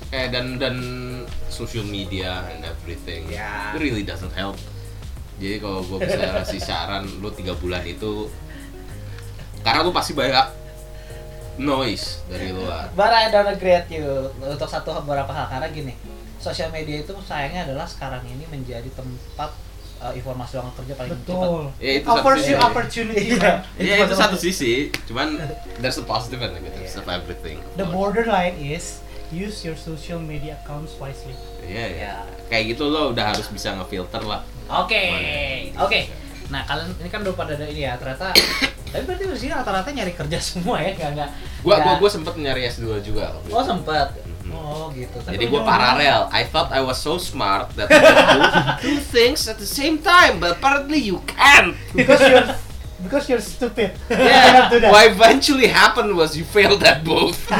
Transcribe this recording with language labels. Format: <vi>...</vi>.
<en>Dan social media and everything really doesn't help.</en> <id>Jadi kalau gue bisa kasih saran, lu 3 bulan itu karena lu pasti banyak noise dari luar.</id> <en>But I don't agree with you</en> <id>untuk satu beberapa hal karena gini. Sosial media itu sayangnya adalah sekarang ini menjadi tempat informasi lowongan kerja paling cepat.</id> <en>Opportunity, opportunity.</en> <id>Iya, itu satu sisi.</id> <en>Cuman there's a positive and negative of everything. The borderline is use your social media accounts wisely.</en> <id>Iya, Kayak gitu lo udah harus bisa ngefilter lah. Oke. Nah, kalian ini kan udah pada ada ini ya, ternyata tapi berarti di sini rata-rata nyari kerja semua ya, enggak. Gua sempat nyari S2 juga. Oh, sempat. Oh gitu. Tapi jadi gue paralel.</id> <en>I thought I was so smart that I could do two things at the same time, but apparently you can't. Because you're stupid. Yeah. What eventually happened was you failed at both.</en>